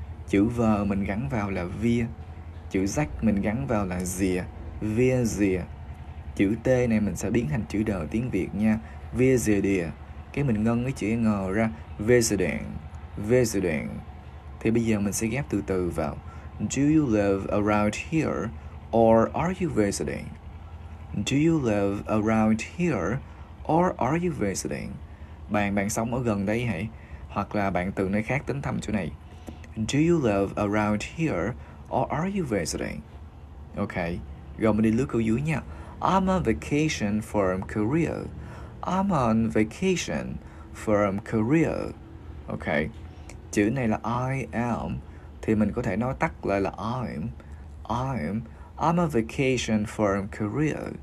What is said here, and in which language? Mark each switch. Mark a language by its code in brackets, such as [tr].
[vi] Chữ vờ mình gắn vào là via, chữ rách mình gắn vào là dìa, via dìa. Chữ t này mình sẽ biến thành chữ đờ tiếng Việt nha, via dìa đìa. Cái mình ngân cái chữ n ra, via dìa đèn, via dìa đèn. Thì bây giờ mình sẽ ghép từ từ vào. [en] Do you live around here or are you visiting? Do you live around here or are you visiting? [vi] Bạn sống ở gần đây hả? Hoặc là bạn từ nơi khác đến thăm chỗ này. [en] Do you live around here or are you visiting? [vi] Okay, rồi mình đi lướt câu dưới nha. [en] I'm on vacation from Korea. I'm on vacation from Korea. [vi] Okay, chữ này là I am, thì mình có thể nói tắt lại là I'm on vacation from Korea.